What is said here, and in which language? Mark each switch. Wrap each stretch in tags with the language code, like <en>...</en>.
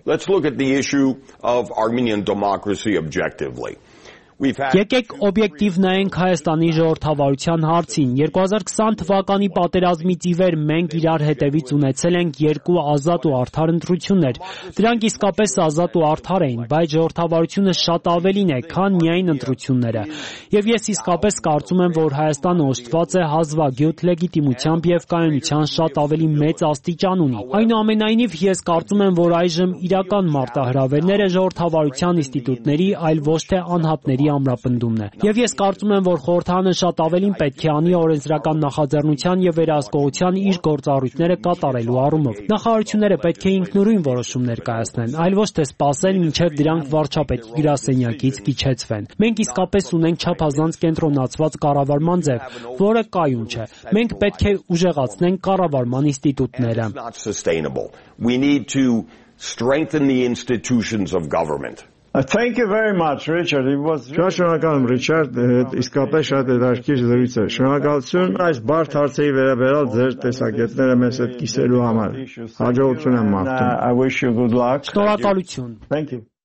<en>Let's look at the issue of Armenian democracy objectively.</en> <hy>Եկեք օբյեկտիվ նայենք Հայաստանի ժողովրդավարության հարցին։ 2020 թվականի պատերազմից ի վեր մենք իրար հետևից ունեցել ենք երկու ազատ ու արդար ընտրություններ։ Դրանք իսկապես ազատ ու արդար էին, բայց ժողովրդավարությունը շատ ավելին է, քան միայն ընտրությունները։ Եվ ես իսկապես կարծում եմ, որ Հայաստանը օժտված է հազվագյուտ լեգիտիմությամբ և կայունության շատ ավելի մեծ աստիճան ունի։ Այնուամենայնիվ, ես կարծում եմ, որ այժմ իրական մարտահրավերները ժողովրդավարության ինստիտուտների, այլ ոչ թե անհատ ների ամրապնդումն է։ Եվ ես կարծում եմ, որ խորհրդանը շատ ավելին պետք է անի օրենսդրական նախաձեռնության եւ վերահսկողության իր գործառույթները կատարելու առումով։ Նախարարությունները պետք է ինքնուրույն որոշումներ կայացնեն, այլ ոչ թե սпасեն, մինչև դրանք վարչապետի գրասենյակից կիչեցվեն։ Մենք իսկապես ունենք չափազանց կենտրոնացված կառավարման ձև, որը կայուն չէ։ Մենք պետք է ուժեղացնենք կառավարման ինստիտուտները։</hy> <en>We need to strengthen the institutions of government. Thank you very much, Richard. It was really</en> <hy>Շնորհակալ եմ, Ռիչարդ, իսկապես շատ հետաքրքիր զրույց է։ Շնորհակալություն այս բարդ հարցերի վերաբերյալ ձեր տեսակետները մեզ հետ կիսելու համար։ Հաջողություն եմ մաղթում։</hy> <en>I wish you good luck.</en> <hy>Շնորհակալություն։</hy> <en>Thank you.</en>